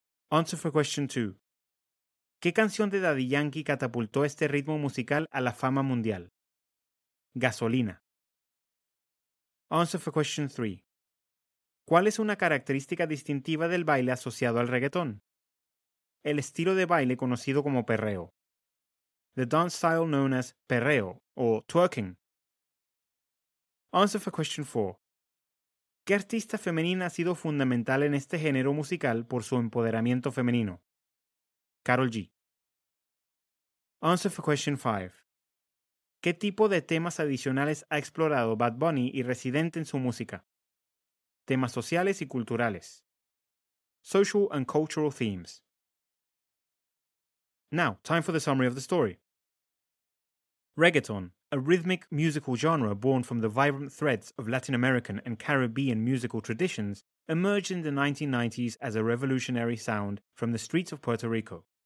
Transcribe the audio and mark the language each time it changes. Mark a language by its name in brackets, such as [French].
[English] Answer for question 2. [Spanish] ¿Qué canción de Daddy Yankee catapultó este ritmo musical a la fama mundial? Gasolina. [English] Answer for question 3. [Spanish] ¿Cuál es una característica distintiva del baile asociado al reggaetón? El estilo de baile conocido como perreo. [English] The dance style known as perreo, or twerking. Answer for question 4. [Spanish] ¿Qué artista femenina ha sido fundamental en este género musical por su empoderamiento femenino? Karol G. [English] Answer for question 5. [Spanish] ¿Qué tipo de temas adicionales ha explorado Bad Bunny y Residente en su música? Temas sociales y culturales. [English] Social and cultural themes. Now, time for the summary of the story. Reggaeton, a rhythmic musical genre born from the vibrant threads of Latin American and Caribbean musical traditions, emerged in the 1990s as a revolutionary sound from the streets of Puerto Rico.